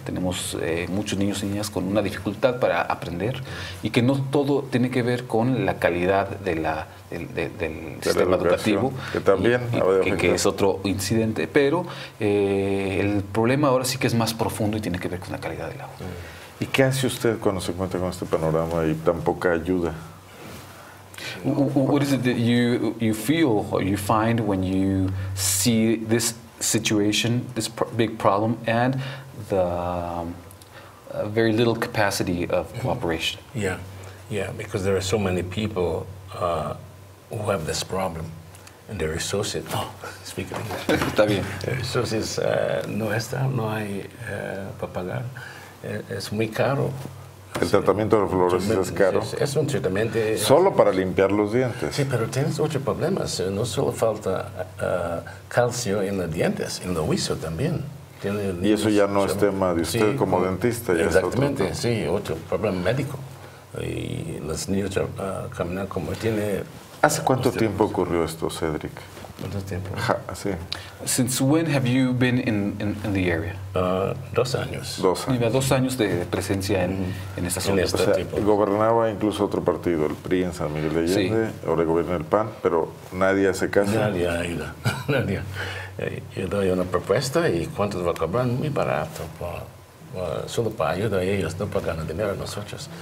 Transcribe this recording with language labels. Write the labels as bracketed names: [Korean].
[Spanish] Tenemos muchos niños y niñas con una dificultad para aprender y que no todo tiene que ver con la calidad del sistema educativo, que también que es otro incidente, pero el problema ahora sí que es más profundo y tiene que ver con la calidad del agua. ¿Y qué hace usted cuando se encuentra con este panorama y tan poca ayuda? [English] What is it that you feel or you find when you see this situation, this big problem, and the very little capacity of cooperation? Yeah, because there are so many people who have this problem, and they're associated. Oh, speak of English. [Spanish] Está bien. Resources no hay para pagar. Es muy caro. El tratamiento de la fluorosis es caro. Es un tratamiento... Solo para limpiar los dientes. Sí, pero tienes otros problemas. No solo falta calcio en los dientes, en los huesos también. Y eso ya no es tema de usted como dentista. Ya exactamente, es otro problema médico. Y los niños caminan como tiene ¿Hace cuánto tiempo ocurrió esto, Cedric? ¿Cuánto tiempo? Sí. [English] Since when have you been in the area? [Spanish] 2 años. Dos años. Lleva 2 años de presencia en esta zona. O sea, gobernaba incluso otro partido, el PRI en San Miguel de Allende, sí. Ahora gobierna el PAN, pero nadie hace caso. Nadie ha ido. Nadie. Yo doy una propuesta y ¿cuánto va a cobrar? Muy barato. Solo para ayudar a ellos, no para ganar dinero a nosotros.